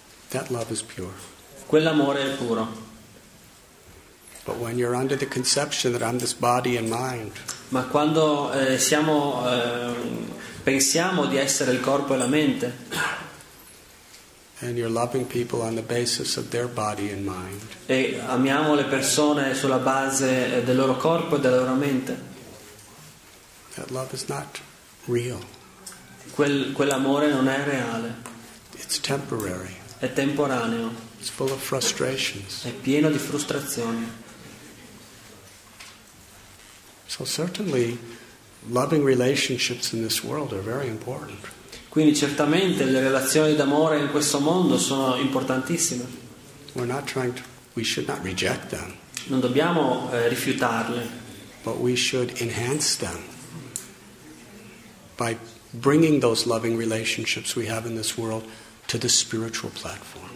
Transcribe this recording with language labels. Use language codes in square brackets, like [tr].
[en] that love is pure. [it] Quell'amore è puro. [en] But when you're under the conception that I'm this body and mind. [it] Ma quando siamo pensiamo di essere il corpo e la mente. [en] And you're loving people on the basis of their body and mind. [it] E amiamo le persone sulla base del loro corpo e della loro mente. [en] That love is not real. [it] Quell'amore non è reale. [en] It's temporary. [it] È temporaneo. [en] It's full of frustrations. [it] È pieno di frustrazioni. [en] So certainly, loving relationships in this world are very important. [it] Quindi certamente le relazioni d'amore in questo mondo sono importantissime. [en] We're not trying to, we should not reject them. [it] Non dobbiamo rifiutarle. [en] But we should enhance them by bringing those loving relationships we have in this world to the spiritual platform.